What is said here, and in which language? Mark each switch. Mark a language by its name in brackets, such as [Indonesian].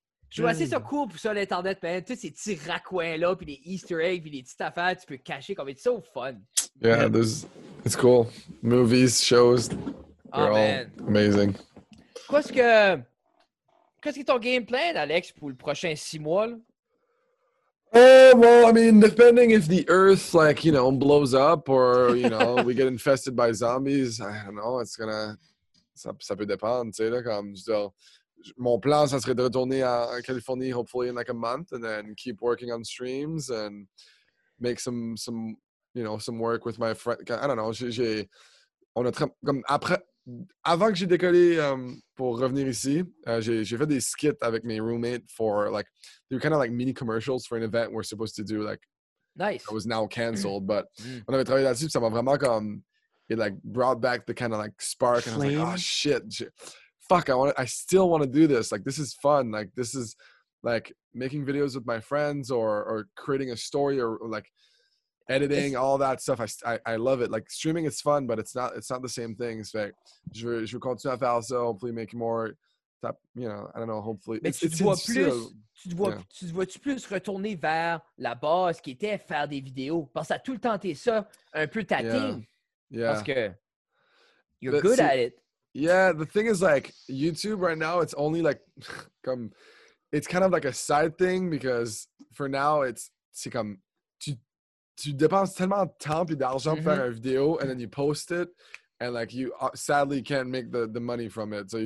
[French] Je vois assez ça cool pour ça, les tendres, man. Tous ces petits raccoins-là, puis les Easter eggs, puis les petites affaires, tu peux cacher comme... [English] It's so fun. Yeah, it's cool. Movies, shows, they're all amazing. [French] Qu'est-ce que ton game plan, Alex, pour le prochain 6 mois, là? [English] Well, I mean, depending if the Earth, like, you know, blows up or, you know, we get infested by zombies, I don't know, it's gonna... [French] Ça peut dépendre, tu sais, là, comme... Mon plan, ça serait de retourner à Californie, [English] hopefully, in, like, a month, and then keep working on streams and make some you know, some work with my friend. I don't know, [French] on a comme après... Avant que j'ai décollé pour revenir ici, j'ai fait des skits avec mes roommates [English] for like, they were kind of like mini commercials for an event we're supposed to do like, nice. It was now canceled, but [French] on avait travaillé là-dessus, ça m'a vraiment comme, [English] it like brought back the kind of like spark. Flame. And I was like, oh shit, fuck, I still want to do this. Like, this is fun. Like, this is like making videos with my friends or creating a story or like, editing, all that stuff, I love it. Like, streaming is fun, but it's not the same thing. It's like, [French] je veux continuer à faire ça, [English] hopefully make more, you know, I don't know, hopefully. [French] Mais tu te vois plus retourner vers la base qui était faire des vidéos. Parce que tu as tout le temps été ça, un peu ta team. [English] Yeah. [French] Parce que [English] you're good at it. Yeah, the thing is like, YouTube right now, it's only like, comme, it's kind of like a side thing because for now, [French] c'est comme, tu dépenses tellement de temps et d'argent pour faire une vidéo, [English] and then you post it, and like you sadly can't make the money from it. So you